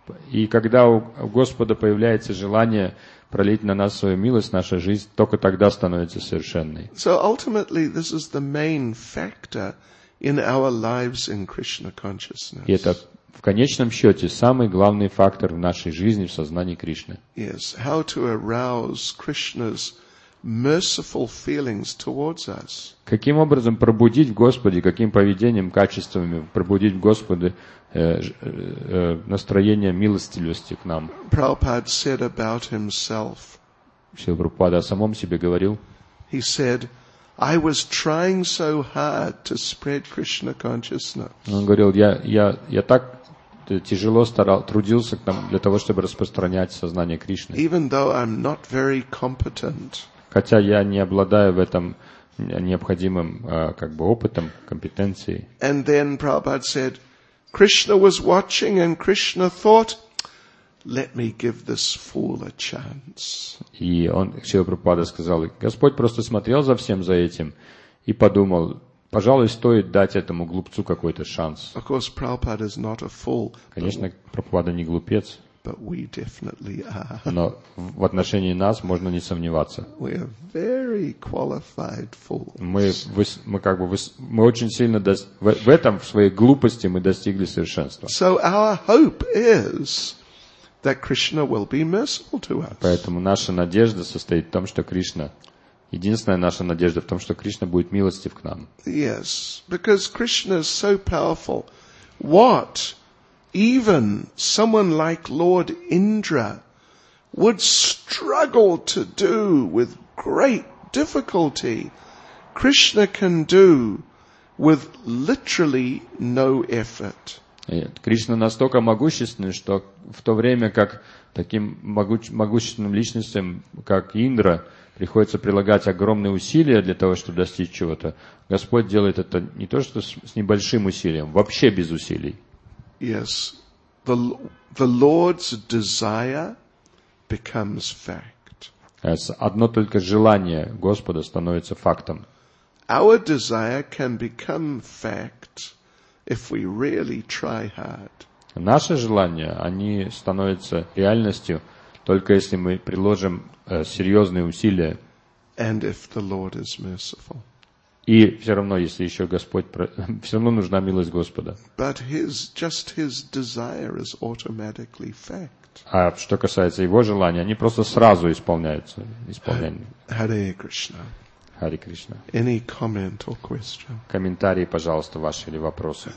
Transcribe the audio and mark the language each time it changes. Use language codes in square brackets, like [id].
[ru] И когда у Господа появляется желание пролить на нас свою милость, наша жизнь только тогда становится совершенной. [en] So ultimately, this is the main factor in our lives in Krishna consciousness. [ru] И это в конечном счете самый главный фактор в нашей жизни в сознании Кришны. [en] Yes, how to arouse Krishna's merciful feelings towards us. [ru] Каким образом пробудить в Господе, каким поведением, качествами пробудить в Господе настроение милостивости к нам? [en] Prabhupada said about himself. [ru] Шрила Прабхупада о самом себе говорил. [en] He said, I was trying so hard to spread Krishna consciousness. [ru] Он говорил, я так тяжело старался, трудился к нам для того, чтобы распространять сознание Кришны. [en] Even though I'm not very competent. [ru] Хотя я не обладаю в этом необходимым как бы опытом, компетенцией. [en] And then Prabhupada said, Krishna was watching and Krishna thought, let me give this fool a chance. [ru] И он, Шрила Прабхупада сказал, Господь просто смотрел за всем за этим и подумал, пожалуй, стоит дать этому глупцу какой-то шанс. [en] Of course, Prabhupada is not a fool. [ru] Конечно, Прабхупада не глупец. [en] But we definitely are. [ru] Но в отношении нас можно не сомневаться. [en] We are very qualified fools. [ru] Мы очень сильно в этом в своей глупости мы достигли совершенства. [en] So our hope is that Krishna will be merciful to us. [ru] Поэтому наша надежда состоит в том, что Кришна. Единственная наша надежда в том, что Кришна будет милостив к нам. [en] Yes, because Krishna is so powerful. What? Even someone like Lord Indra would struggle to do with great difficulty, Krishna can do with literally no effort. [ru] Кришна настолько могущественный, что в то время как таким могущественным личностям, как Индра, приходится прилагать огромные усилия для того, чтобы достичь чего-то, Господь делает это не то что с небольшим усилием, вообще без усилий. [en] Yes, the Lord's desire becomes fact. [ru] Одно только желание Господа становится фактом. [en] Our desire can become fact if we really try hard. [ru] Наши желания, они становятся реальностью только если мы приложим серьезные усилия. [en] And if the Lord is merciful. [ru] И все равно, если еще Господь, все равно нужна милость Господа. [en] But just his desire is automatically fact. [ru] А что касается его желания, они просто сразу исполняются. Исполнение. [en] Hare Krishna. Hare Krishna. Any comment or question? [ru] Комментарии, пожалуйста, ваши или вопросы.